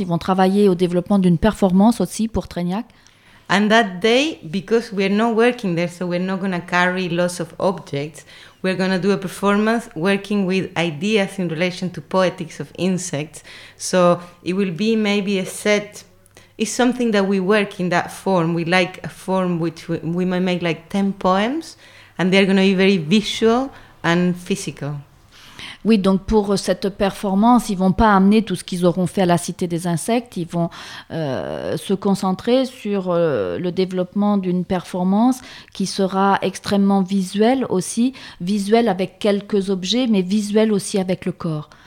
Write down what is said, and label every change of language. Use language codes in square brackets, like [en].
[fr] Ils vont travailler au développement d'une performance aussi pour Treignac. [en] And that day, because we're not working there, so we're not going to carry lots of objects, we're going to do a performance working with ideas in relation to poetics of insects. So it will be maybe a set, it's something that we work in that form. We like a form which we might make like 10 poems, and they're going to be very visual and physical. [fr] Oui, donc pour cette performance, ils ne vont pas amener tout ce qu'ils auront fait à la Cité des Insectes, ils vont se concentrer sur le développement d'une performance qui sera extrêmement visuelle aussi, visuelle avec quelques objets, mais visuelle aussi avec le corps.